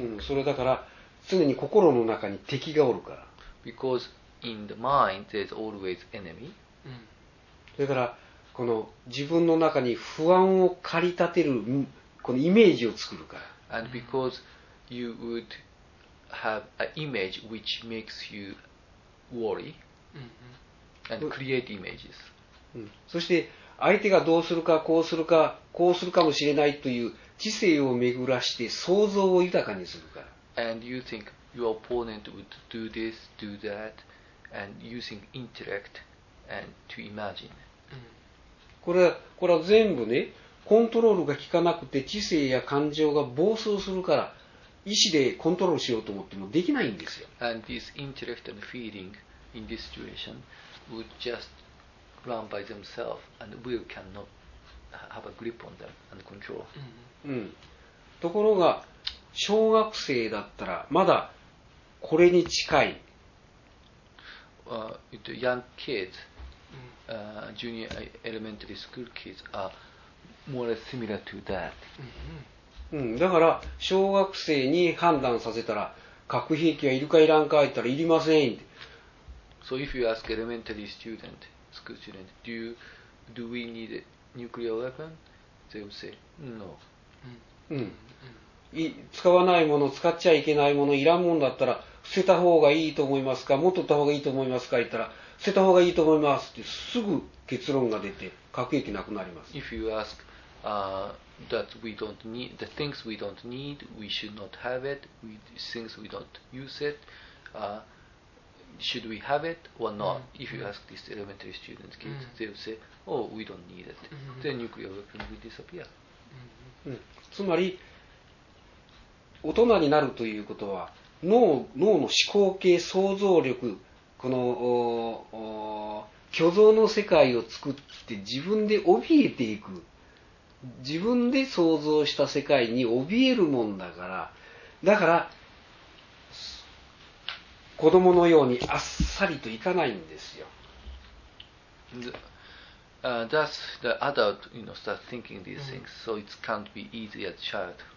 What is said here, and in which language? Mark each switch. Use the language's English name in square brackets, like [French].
[Japanese] うんうん、それだから常に心の中に敵がおるから [English] because in the mind there's always enemy、 [Japanese] それからこの自分の中に不安を駆り立てるこのイメージを作るから [English] and because you wouldhave an image which makes you worry and create images. [Japanese] そして相手がどうするかこうするかこうするかもしれないという知性を巡らして想像を豊かにするから。 [English] And you think your opponent would do this, do that, and using intellect and to imagine. [Japanese] これは全部ね、コントロールが効かなくて知性や感情が暴走するから意思でコントロールしようと思ってもできないんですよ。 [English] And this intellect and feeling in this situation would just run by themselves and will cannot have a grip on them and control、 [Japanese] うん、ところが小学生だったらまだこれに近い、 [English] the young kids、junior elementary school kids are more similar to that、 [Japanese] うん、だから小学生に判断させたら核兵器はいるかいらんか言ったらいりません。 [English] So if you ask elementary student, school student, do we need a nuclear weapon? They will say no、 [Japanese] うん、使わないもの、使っちゃいけないもの、いらんものだったら捨てた方がいいと思いますか、持っとった方がいいと思いますか言ったら捨てた方がいいと思いますってすぐ結論が出て核兵器なくなります。 [English] If you ask、that we don't need the things we don't need, we should not have it, we, things we don't use it、should we have it or not、mm-hmm. If you ask this elementary student kid、mm-hmm. they will say, oh, we don't need it、mm-hmm. Then nuclear weapon will disappear、 mm-hmm. [Japanese] つまり大人になるということは脳の思考系、想像力、この虚像の世界を作って自分で怯えていく、自分で想像した世界に怯えるもんだから、だから子供のようにあっさりといかないんですよ。 [English] Thus the adult, you know, starts thinking these things, so it can't be easy as a child.